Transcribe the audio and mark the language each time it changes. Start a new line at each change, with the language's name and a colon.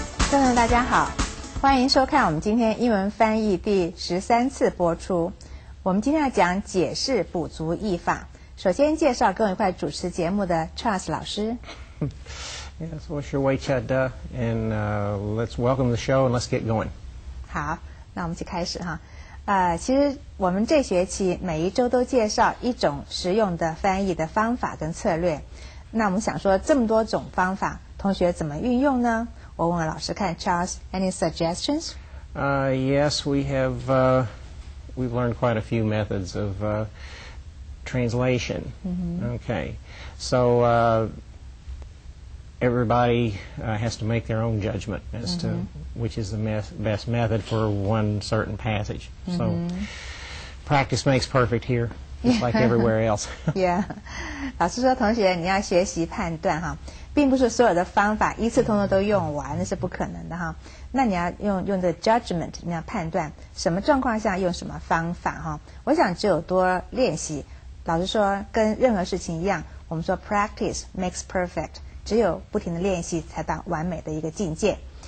Chinese: 观众大家好，欢迎收看我们今天英文翻译第13次播出。我们今天要讲解释补足译法。首先介绍跟我一块主持节目的 Charles 老师。
English: Yes, what's your way, Chad? And let's welcome the show and let's get going.
Chinese: 好，那我们去开始哈。其实我们这学期每一周都介绍一种实用的翻译的方法跟策略。那我们想说这么多种方法，同学怎么运用呢？我问老师看 Charles, any suggestions?
English: Yes, we have, we've learned quite a few methods of translation. Mm-hmm. Okay, so everybody has to make their own judgment as mm-hmm. to which is the best method for one certain passage. Mm-hmm. So practice makes perfect here, just like everywhere else.
Chinese: Yeah, 老师说同学你要学习判断哈。并不是所有的方法一次通通都用完，那是不可能的哈。那你要用的 judgment， 你要判断什么状况下用什么方法哈。我想只有多练习，老实说跟任何事情一样，我们说 practice makes perfect，只有不停的练习才到完美的一个境界。